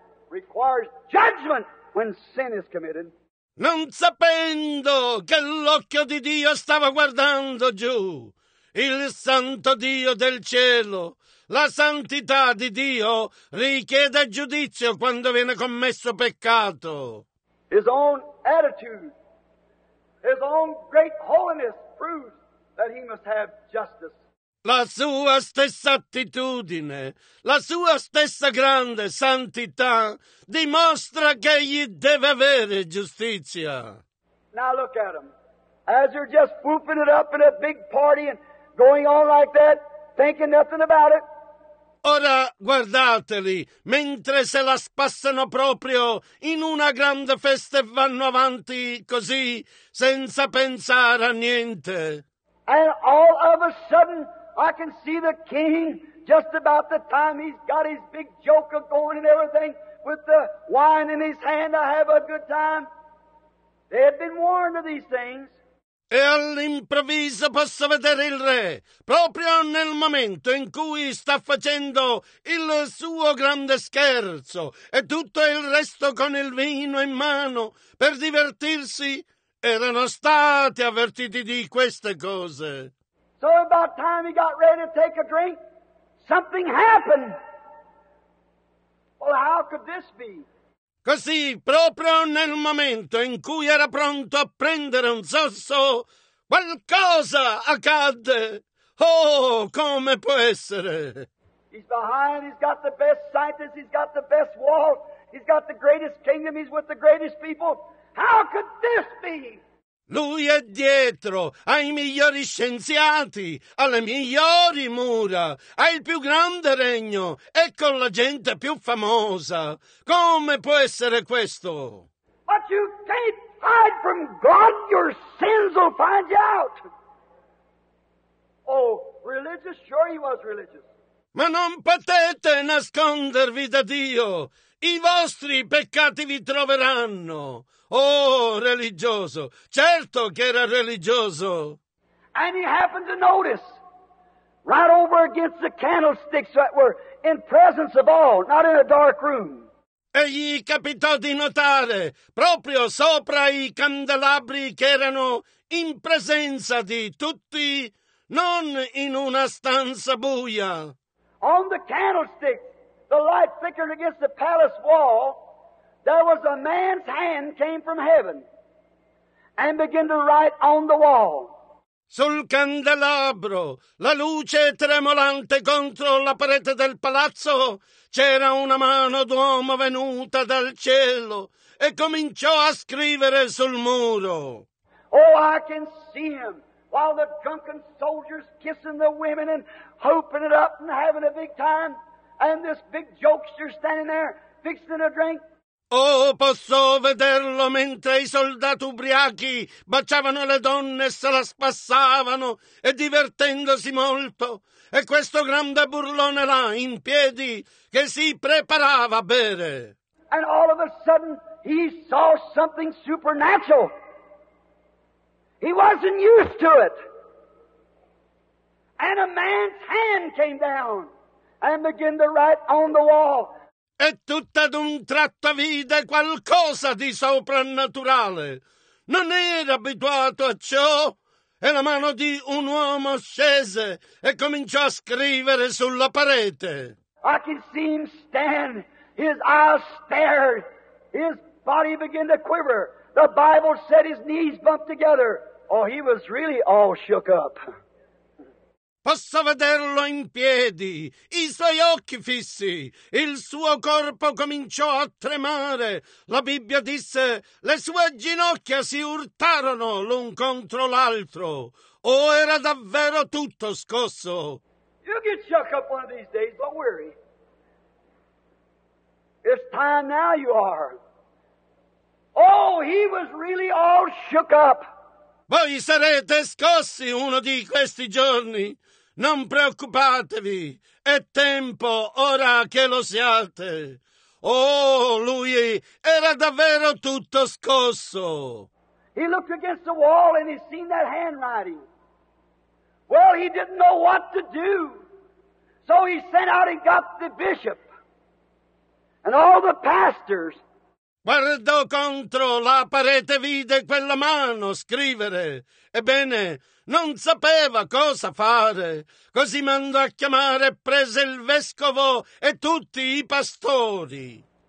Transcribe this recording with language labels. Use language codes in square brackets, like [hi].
[en] requires judgment when sin is committed. [it] Non sapendo che l'occhio di Dio stava guardando giù, il santo Dio del cielo, la santità di Dio richiede giudizio quando viene commesso peccato. [en] His own attitude, his own great holiness proves that he must have justice. [it] La sua stessa attitudine, la sua stessa grande santità dimostra che egli deve avere giustizia. [en] Now look at him. As you're just whooping it up in a big party and going on like that, thinking nothing about it. [it] Ora guardateli, mentre se la spassano proprio in una grande festa e vanno avanti così, senza pensare a niente. [en] And all of a sudden, I can see the king, just about the time he's got his big joke of going and everything, with the wine in his hand, I have a good time. They had been warned of these things. [it] E all'improvviso posso vedere il re, proprio nel momento in cui sta facendo il suo grande scherzo, e tutto il resto con il vino in mano, per divertirsi, erano stati avvertiti di queste cose. [en] So about time he got ready to take a drink, something happened. Well, how could this be? [it] Così, proprio nel momento in cui era pronto a prendere un sorso, qualcosa accadde. Oh, come può essere? [en] He's behind, he's got the best scientists, he's got the best wall, he's got the greatest kingdom, he's with the greatest people. How could this be? [it] Lui è dietro, ha i migliori scienziati, ha le migliori mura, ha il più grande regno e con la gente più famosa. Come può essere questo? [en] But you can't hide from God, your sins will find you out. Oh, religious, sure he was religious. [it] Ma non potete nascondervi da Dio, i vostri peccati vi troveranno. Oh, religioso, certo che era religioso. [en] And he happened to notice, right over against the candlesticks that were in presence of all, not in a dark room. [it] E gli capitò di notare, proprio sopra i candelabri che erano in presenza di tutti, non in una stanza buia. [en] On the candlesticks, the light flickered against the palace wall. There was a man's hand came from heaven and began to write on the wall. [it] Sul candelabro, la luce tremolante contro la parete del palazzo, c'era una mano d'uomo venuta dal cielo e cominciò a scrivere sul muro. [en] Oh, I can see him while the drunken soldiers kissing the women and hooping it up and having a big time, and this big jokester standing there fixing a drink. [it] Oh, posso vederlo mentre i soldati ubriachi baciavano le donne e se la spassavano e divertendosi molto, e questo grande burlone là in piedi che si preparava a bere. [en] And all of a sudden he saw something supernatural. He wasn't used to it. And a man's hand came down and began to write on the wall. [it] E tutta ad un tratto vide qualcosa di soprannaturale. Non era abituato a ciò. E la mano di un uomo scese e cominciò a scrivere sulla parete. [en] I can see him stand, his eyes stared, his body began to quiver. The Bible said his knees bumped together. Oh, he was really all shook up. [it] Posso vederlo in piedi, i suoi occhi fissi, il suo corpo cominciò a tremare. La Bibbia disse, le sue ginocchia si urtarono l'un contro l'altro. O era davvero tutto scosso? [en] You'll get shook up one of these days, don't worry. It's time now you are. Oh, he was really all shook up. [it] Voi sarete scossi uno di questi giorni. Non preoccupatevi, è tempo ora che lo siate. Oh, lui era davvero tutto scosso. [en] He looked against the wall and he seen that handwriting. Well, he didn't know what to do. So he sent out and got the bishop. and all the pastors. [it] Guardò contro la parete, vide quella mano scrivere. Ebbene, non sapeva cosa fare. Così mandò a chiamare, prese il vescovo e tutti i pastori.